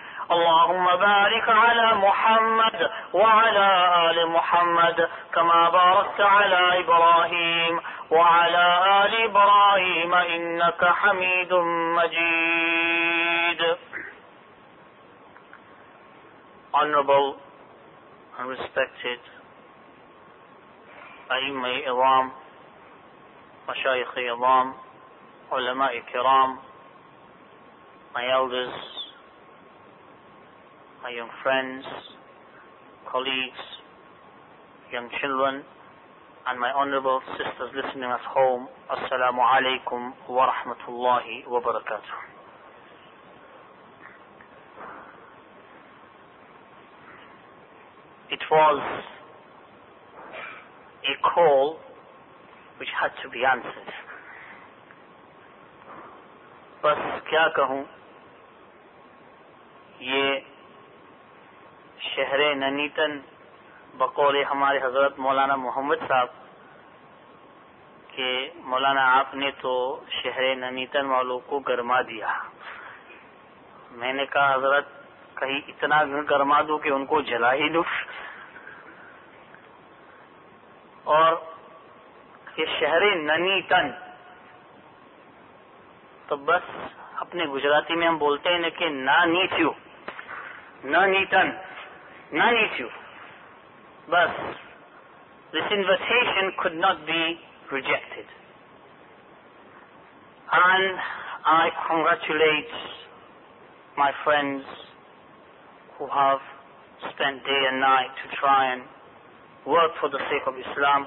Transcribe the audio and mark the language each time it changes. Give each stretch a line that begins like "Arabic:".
Arabic: اللهم بارك على محمد وعلى آل محمد كما باركت على إبراهيم وعلى آل إبراهيم إنك حميد مجيد.
English: Honorable and respected
Arabic: أئمة الإعظام مشايخ الإعظام علماء الكرام,
English: my elders, my young friends, colleagues, young children, and my honorable sisters listening at home, Assalamu alaikum wa rahmatullahi wa barakatuh. It was a call which had to be answered.
Urdu: Bas kya kahun, ye شہر ننیتن بقول ہمارے حضرت مولانا محمد صاحب کہ مولانا آپ نے تو شہر ننیتن والوں کو گرما دیا. میں نے کہا حضرت کہیں اتنا گرما دوں کہ ان کو جلا ہی دوں. اور یہ شہر ننیتن تو بس اپنے گجراتی میں ہم بولتے ہیں کہ ننیتن Nanitu.
English: But this invitation could not be rejected. And I congratulate my friends who have spent day and night to try and work for the sake of Islam.